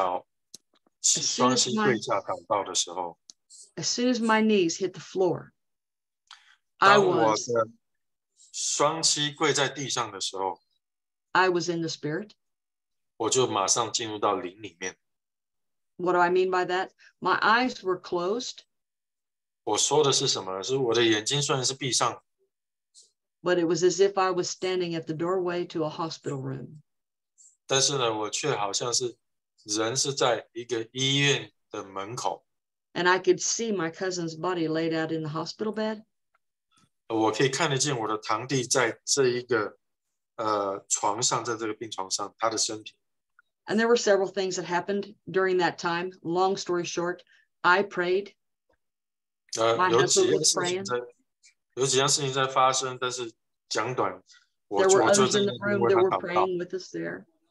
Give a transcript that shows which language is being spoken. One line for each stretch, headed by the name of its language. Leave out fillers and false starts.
Chinese: 当我将我的脚双膝跪下祷告的时候。
English: As soon as my knees hit the floor.
Chinese: 当我的双膝跪在地上的时候。
English: I was in the spirit.
Chinese: 我就马上进入到灵里面。
English: What do I mean by that? My eyes were closed.
Chinese: 我说的是什么？是我的眼睛虽然是闭上。
English: But it was as if I was standing at the doorway to a hospital room.
Chinese: 但是呢，我却好像是人是在一个医院的门口。
English: And I could see my cousin's body laid out in the hospital bed.
Chinese: 我可以看得见我的堂弟在这一个床上，在这个病床上，他的身体。
English: And there were several things that happened during that time. Long story short, I prayed. My husband was praying. There were others in the room that were praying with us there.